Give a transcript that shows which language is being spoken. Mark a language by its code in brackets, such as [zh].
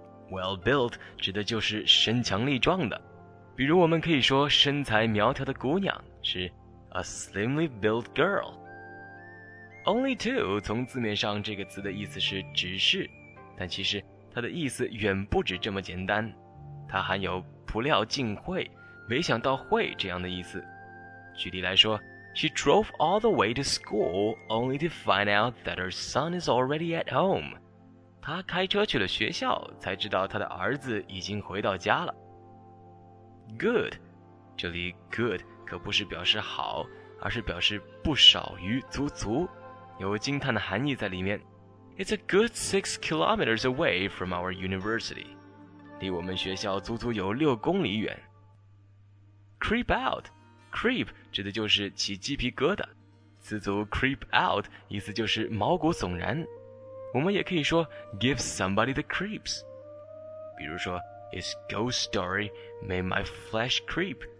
[zh] Well built 指的就是身强力壮的，比如我们可以说身材苗条的姑娘是 [en] a slimly built girl. [zh] Only two 从字面上这个词的意思是只是，但其实它的意思远不止这么简单，它含有不料尽会，没想到会这样的意思。举例来说， [en] She drove all the way to school only to find out that her son is already at home. [zh] 他开车去了学校，才知道他的儿子已经回到家了。 Good， 这里 good 可不是表示好，而是表示不少于、足足，有惊叹的含义在里面。 [en] It's a good 6 kilometers away from our university， [zh] 离我们学校足足有6公里远。 Creep out，creep 指的就是起鸡皮疙瘩，词组 creep out 意思就是毛骨悚然。我们也可以说 [en] give somebody the creeps. [zh] 比如说 [en] his ghost story made my flesh creep.